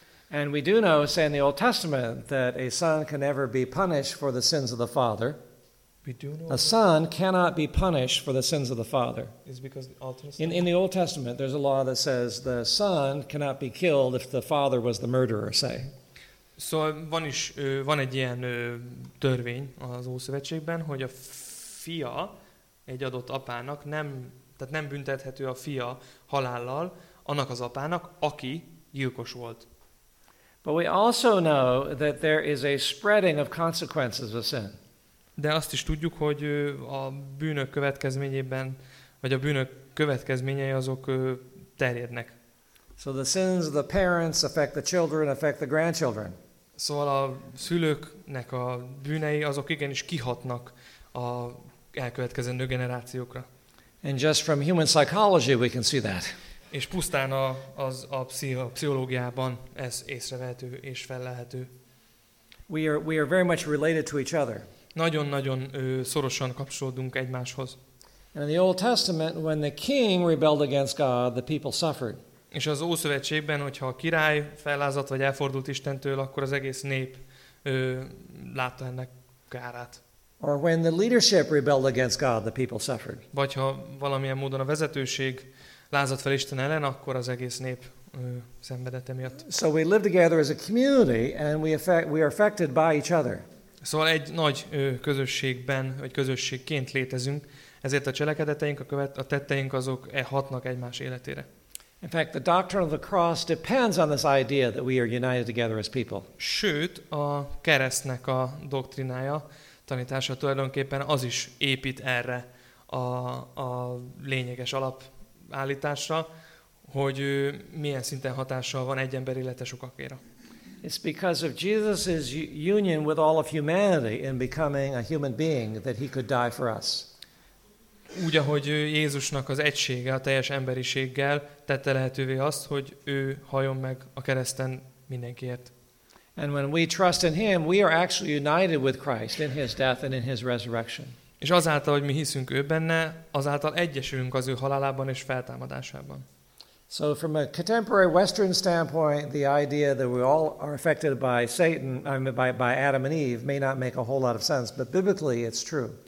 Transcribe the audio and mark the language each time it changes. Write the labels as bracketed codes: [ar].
[en] And we do know, say in the Old Testament, that a son can never be punished for the sins of the father. A son cannot be punished for the sins of the father. Is because in the Old Testament, there's a law that says the son cannot be killed if the father was the murderer, say. [hu] Szóval van is van egy ilyen törvény az Ószövetségben, hogy a fia egy adott apának nem, tehát nem büntethető a fia halállal annak az apának, aki gyilkos volt. [en] But we also know that there is a spreading of consequences of sin. [hu] De azt is tudjuk, hogy a bűnök következményében, vagy a bűnök következményei azok terjednek. [en] So the sins of the parents affect the children, affect the grandchildren. [hu] Szóval a szülőknek a bűnei azok igenis kihatnak a elkövetkezendő generációkra. [en] And just from human psychology we can see that. [hu] És pusztán a pszichológiában ez észrevehető és fellehető. [en] We are very much related to each other. [hu] Nagyon-nagyon szorosan kapcsolódunk egymáshoz. [en] And in the Old Testament when the king rebelled against God, the people suffered. [hu] És az Ószövetségben, hogyha a király fellázadt vagy elfordult Istentől, akkor az egész nép látta ennek kárát. [en] Or when the leadership rebelled against God, the people suffered. [hu] Vagy ha valamilyen módon a vezetőség lázadt fel Isten ellen, akkor az egész nép szenvedett emiatt. [en] So we live together as a community and we are affected by each other. [hu] Szóval egy nagy közösségben, vagy közösségként létezünk, ezért a cselekedeteink, a tetteink azok hatnak egymás életére. [en] In fact, the doctrine of the cross depends on this idea that we are united together as people. [hu] Sőt, a keresztnek a doktrinája, tanítása tulajdonképpen az is épít erre a lényeges alapállításra, hogy milyen szinten hatással van egy ember élete sokakéra. [en] It's because of Jesus' union with all of humanity in becoming a human being that he could die for us. [hu] Úgy, ahogy Jézusnak az egysége a teljes emberiséggel tette lehetővé azt, hogy ő hajon meg a kereszten mindenkiért. [en] And when we trust in him, we are actually united with Christ in his death and in his resurrection. [hu] És azáltal, hogy mi hiszünk ő benne, azáltal egyesülünk az ő halálában és feltámadásában. [en] So from a contemporary Western standpoint, the idea that we all are affected by Satan, by Adam and Eve may not make a whole lot of sense, but biblically it's true.